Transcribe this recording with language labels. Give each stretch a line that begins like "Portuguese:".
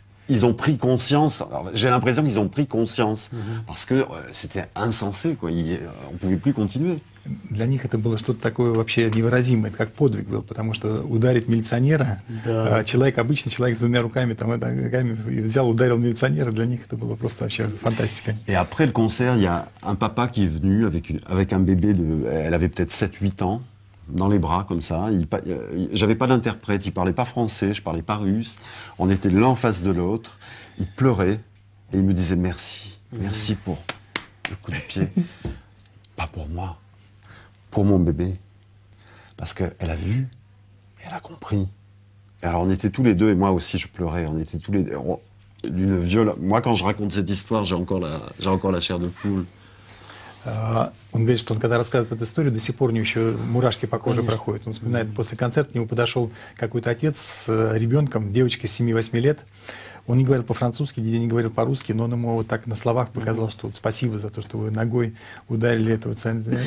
French: Ils ont pris conscience. J'ai l'impression qu'ils ont pris conscience parce que c'était insensé, quoi. On pouvait plus continuer.
Russian: Для них это было что-то такое вообще невыразимое, как подвиг был, потому что ударить милиционера, человек обычный, человек с двумя руками, там ногами взял, ударил милиционера, для них это было просто вообще фантастика.
French: Et après le concert, il y a un papa qui est venu avec un bébé de, elle avait peut-être 7-8 ans. Dans les bras, comme ça. J'avais pas d'interprète, il parlait pas français, je parlais pas russe. On était l'un face de l'autre. Il pleurait et il me disait merci pour le coup de pied. Pas pour moi, pour mon bébé. Parce qu'elle a vu et elle a compris. Et alors on était tous les deux, et moi aussi je pleurais, on était tous les deux. D'une violence. Moi quand je raconte cette histoire, j'ai encore la chair de poule.
Russian: Он говорит, что он, когда рассказывает эту историю, до сих пор у него еще мурашки по коже проходят. Он вспоминает, после концерта к нему подошел какой-то отец с ребенком, девочка 7-8 лет. Он не говорил по-французски, Диди не говорил по-русски, но он ему вот так на словах показал, что вот спасибо за то, что вы ногой ударили этого центра.